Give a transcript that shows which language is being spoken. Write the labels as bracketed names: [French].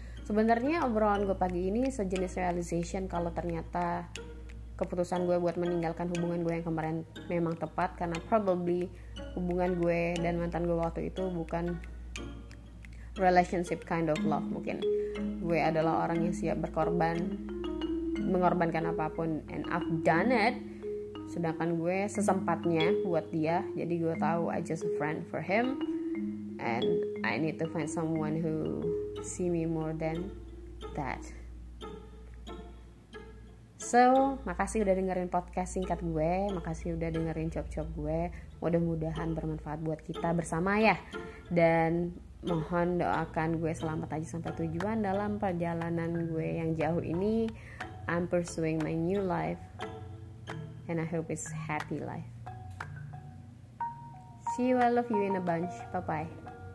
[Indonesian] Sebenarnya obrolan gue pagi ini sejenis realization kalau ternyata keputusan gue buat meninggalkan hubungan gue yang kemarin memang tepat, karena probably hubungan gue dan mantan gue waktu itu bukan [English] relationship kind of love. [Indonesian] Mungkin gue adalah orang yang siap berkorban, mengorbankan apapun, [English] and I've done it. [Indonesian] Sedangkan gue sesempatnya buat dia, jadi gue tahu [English] I just a friend for him and I need to find someone who see me more than that. [Indonesian] So, makasih udah dengerin podcast singkat gue, makasih udah dengerin cop-cop gue. mudah-mudahan bermanfaat buat kita bersama ya. Dan mohon doakan gue selamat aja sampai tujuan dalam perjalanan gue yang jauh ini. [English] I'm pursuing my new life and I hope it's happy life. See you, I love you in a bunch. Bye-bye.